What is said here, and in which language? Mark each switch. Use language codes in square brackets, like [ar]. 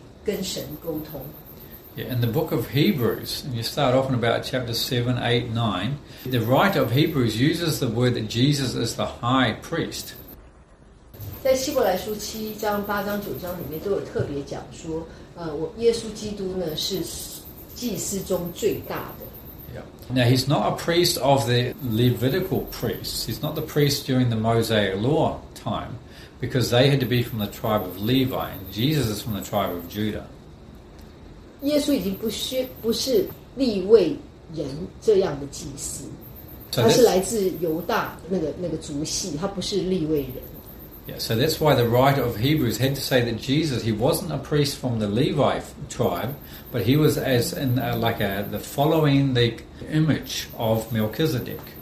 [zh] 所以我们就变成了祭司，我们有祭司的职分，可以来完全的可以跟神沟通。 [en] Yeah, in the book of Hebrews, and you start off in about chapter 7, 8, 9, the writer of Hebrews uses the word that Jesus is the high priest. [zh] 在希伯来书7章、8章、9章里面都有特别讲说，耶稣基督呢是祭司中最大的。 [en] Now, he's not a priest of the Levitical priests. He's not the priest during the Mosaic Law time, because they had to be from the tribe of Levi, and Jesus is from the tribe of Judah. So that's why the writer of Hebrews had to say that Jesus, he wasn't a priest from the Levi tribe, but he was as in the following the image of Melchizedek.